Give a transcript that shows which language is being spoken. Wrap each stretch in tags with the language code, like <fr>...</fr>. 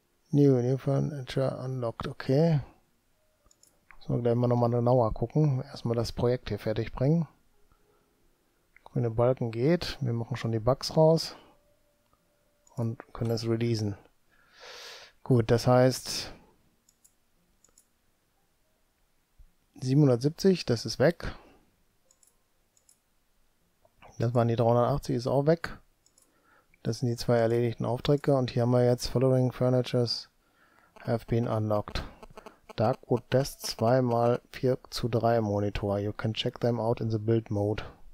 <en>New furniture unlocked, okay.</en> <de>So, gleich mal nochmal genauer gucken. Erstmal das Projekt hier fertig bringen. Grüne Balken geht. Wir machen schon die Bugs raus. Und können das releasen. Gut, das heißt 770, das ist weg. Das waren die 380, ist auch weg. Das sind die zwei erledigten Aufträge. Und hier haben wir jetzt</de> <en>Following Furnitures have been unlocked. Darkwood Desk 2x 4:3 Monitor. You can check them out in the Build Mode.</en>